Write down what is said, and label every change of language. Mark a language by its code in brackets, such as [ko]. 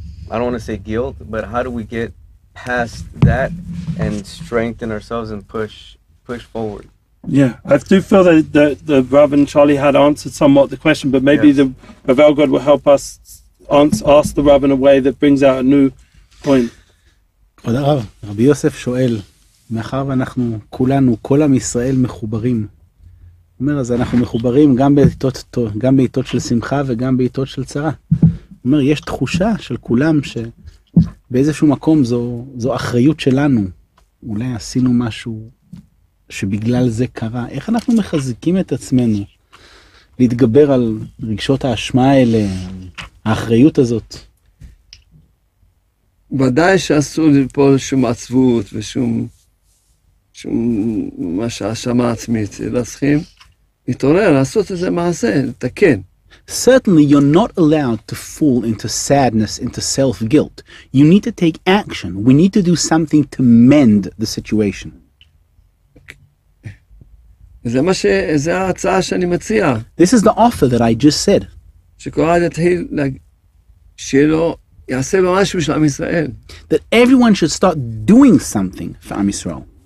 [en] I don't want to say guilt, but how do we get past that and strengthen ourselves and push forward? Yeah, I do feel that the Rav and Charlie had answered somewhat the question, but maybe yes. The Rav Elgod will help us ask the Rav in a way that brings out a new point. [he] Kod Rav, Rabbi Yosef shoel, מאחר ואנחנו כולנו, כל עם ישראל מחוברים. הוא אומר, אז אנחנו מחוברים גם בעיתות של שמחה וגם בעיתות של צרה. הוא אומר, יש תחושה של כולם שבאיזשהו מקום זו אחריות שלנו. אולי עשינו משהו שבגלל זה קרה, איך אנחנו מחזיקים את עצמנו להתגבר על רגשות האשמה האלה, האחריות הזאת? ודאי שאסור לפעול שום עצבות ושום מה שהאשמה עצמית, אלא צריכים להתעורר, לעשות איזה מעשה, לתקן. [en] Certainly you're not allowed to fall into sadness, into self-guilt. You need to take action. We need to do something to mend the situation. [he] זה ההצעה שאני מציע. [en] This is the offer that I just said. [he] שכל יתחיל שלא יעשה במשהו של עם ישראל. [en] That everyone should start doing something for Am Yisrael.